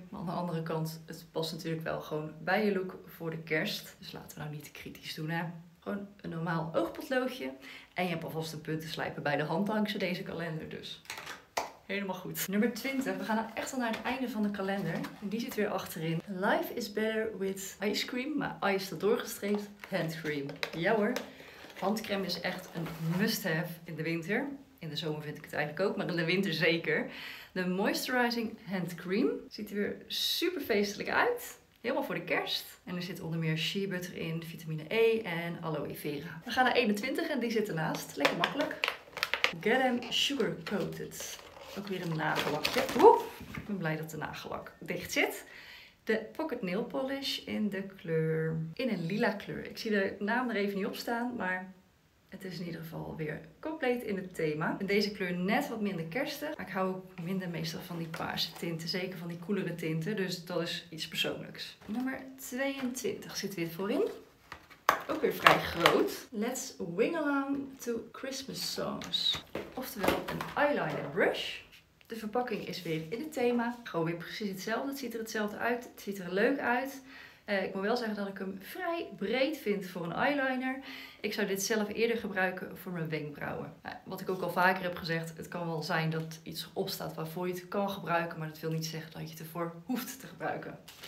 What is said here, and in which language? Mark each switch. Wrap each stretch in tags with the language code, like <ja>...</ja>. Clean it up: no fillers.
<nl>Maar aan de andere kant, het past natuurlijk wel gewoon bij je look voor de kerst. Dus laten we nou niet te kritisch doen, hè. Gewoon een normaal oogpotloodje. En je hebt alvast een puntenslijper bij de hand dankzij deze kalender. Dus helemaal goed. Nummer 20. We gaan nou echt al naar het einde van de kalender. En die zit weer achterin.</nl> <en>Life is better with ice cream.</en> <nl>Maar ice staat doorgestreept. Handcream. Ja hoor. Handcreme is echt een must-have in de winter. In de zomer vind ik het eigenlijk ook. Maar in de winter zeker. De Moisturizing Handcream. Ziet er weer super feestelijk uit. Helemaal voor de kerst. En er zit onder meer shea butter in. Vitamine E en aloe vera. We gaan naar 21 en die zit ernaast. Lekker makkelijk.</nl> <en>Get them sugar coated.</en> <nl>Ook weer een nagellakje. Ik ben blij dat de nagellak dicht zit. De Pocket Nail Polish in de kleur. In een lila kleur. Ik zie de naam er even niet op staan. Maar het is in ieder geval weer compleet in het thema. In deze kleur net wat minder kerstig. Maar ik hou ook minder meestal van die paarse tinten. Zeker van die koelere tinten. Dus dat is iets persoonlijks. Nummer 22 zit weer voorin. Ook weer vrij groot.</nl> <en>Let's wing along to Christmas songs.</en> <nl>Oftewel een eyeliner brush. De verpakking is weer in het thema. Gewoon weer precies hetzelfde. Het ziet er hetzelfde uit. Het ziet er leuk uit. Ik moet wel zeggen dat ik hem vrij breed vind voor een eyeliner. Ik zou dit zelf eerder gebruiken voor mijn wenkbrauwen. Wat ik ook al vaker heb gezegd, het kan wel zijn dat iets erop staat waarvoor je het kan gebruiken, maar dat wil niet zeggen dat je het ervoor hoeft te gebruiken.</nl>